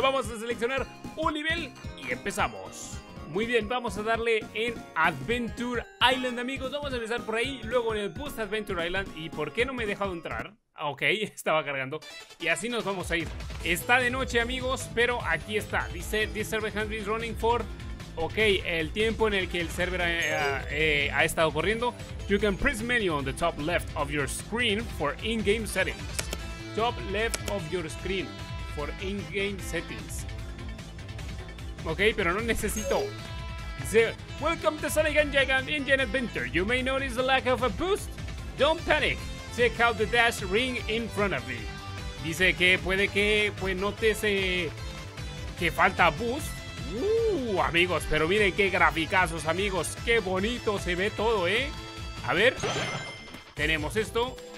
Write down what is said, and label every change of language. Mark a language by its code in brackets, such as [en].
[es] Vamos a seleccionar un nivel y empezamos. Muy bien, vamos a darle en Adventure Island, amigos. Vamos a empezar por ahí, luego en el Boost Adventure Island. ¿Y por qué no me he dejado entrar? Ok, estaba cargando. Y así nos vamos a ir. Está de noche, amigos, pero aquí está. Dice, [en] this server has been running for... [es] Ok, el tiempo en el que el server ha estado corriendo. [en] You can press menu on the top left of your screen for in-game settings. Top left of your screen for in-game settings. [es] Ok, pero no necesito. Dice, [en] welcome to Sonic Engine Adventure. You may notice the lack of a boost. Don't panic. Check out the dash ring in front of me. [es] Dice que puede que pues notes que falta boost. Amigos, pero miren qué graficazos, amigos. Qué bonito se ve todo, ¿eh? A ver, tenemos esto.